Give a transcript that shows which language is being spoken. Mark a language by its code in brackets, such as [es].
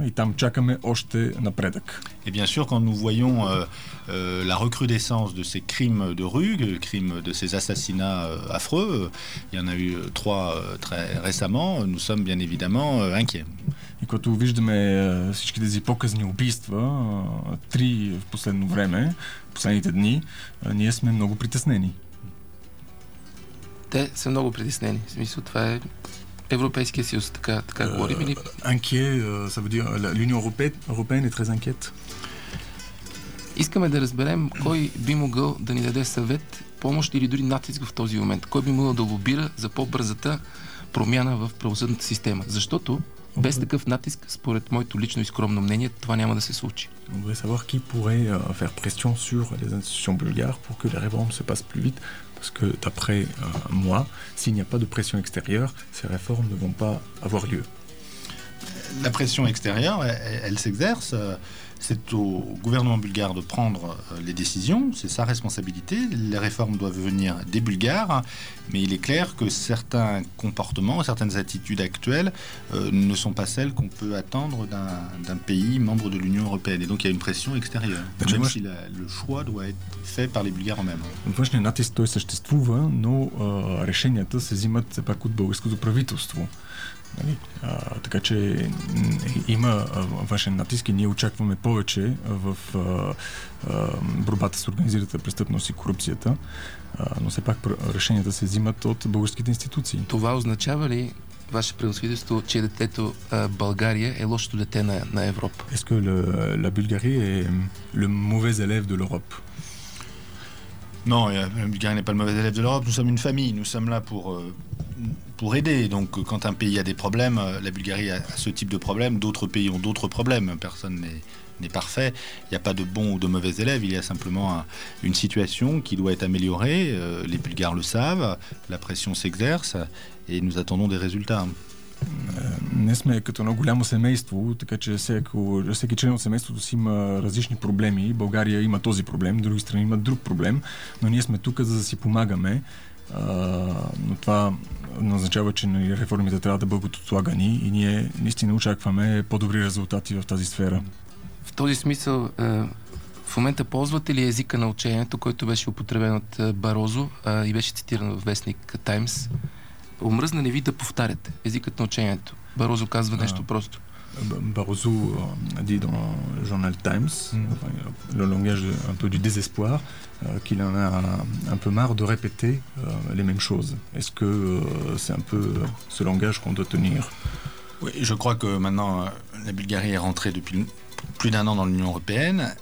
[bg] И там чакаме още напредък. [fr] Et bien sûr, quand nous voyons la recrudescence de ces crimes de rue, le crime de ces assassinats affreux, il y en a eu trois très récemment, nous sommes bien évidemment inquiets. [bg] И когато виждаме всички тези показни убийства, три в последно време, последните дни, ние сме много притеснени. Те са много притеснени. В смисъл, това е Европейския съюз, така говорим ли? [fr] Inquiets, ça veut dire l'Union européenne est très inquiète. [bg] Искаме да разберем кой би могъл да ни даде съвет, помощ или дори натиск в този момент. Кой би могъл да лобира за по-бързата промяна в правосъдната система? Защото без такъв натиск, според моето лично и скромно мнение, това няма да се случи. Добре, [fr] savoir qui pourrait faire pression sur les institutions bulgares pour que les réformes se passent plus vite, parce que d'après moi, s'il n'y a pas de pression extérieure, ces réformes ne vont pas avoir lieu. La pression extérieure, elle s'exerce. C'est au gouvernement bulgare de prendre les décisions, c'est sa responsabilité. Les réformes doivent venir des Bulgares, mais il est clair que certains comportements, certaines attitudes actuelles ne sont pas celles qu'on peut attendre d'un pays membre de l'Union européenne. Et donc il y a une pression extérieure, même si le choix doit être fait par les Bulgares eux-mêmes. [bg] Външният натиск той съществува, но решенията се взимат все пак от българското правителство. Нали? Така че има външен натиск и ние очакваме повече в борбата с организираната престъпност и корупцията, но все пак решенията се взимат от българските институции. Това означава ли, ваше превъзходителство, че детето България е лошото дете на Европа? [fr] Est-ce que la Bulgarie est le mauvais élève de l'Europe? Non, la Bulgarie n'est pas le mauvais élève de l'Europe. Nous sommes une famille, nous sommes là pour aider. Donc quand un pays a des problèmes, la Bulgarie a ce type de problème, d'autres pays ont d'autres problèmes. Personne n'est parfait. Il n'y a pas de bons ou de mauvais élèves, il y a simplement une situation qui doit être améliorée. Les Bulgares le savent, la pression s'exerce et nous attendons des résultats. [bg] Не сме като едно голямо семейство, така че всеки член от семейството си има различни проблеми. България има този проблем, други страни имат друг проблем, но ние сме тук, за да си помагаме. Но това означава, че реформите трябва да бъдат отлагани и ние наистина очакваме по-добри резултати в тази сфера. В този смисъл, в момента ползвате ли езика на учението, който беше употребен от Барозо и беше цитиран в вестник Times? Омръзна ли ви да повтаряте езикът на учението? Барозо казва нещо просто. Барозо ди в журнал Times, [fr] le langage un peu du désespoir, qu'il en a un peu marre de répéter les mêmes choses. Est-ce que c'est un peu ce langage qu'on doit tenir? Oui, je crois que maintenant la Bulgarie est rentrée depuis plus d'un an dans l'Union européenne.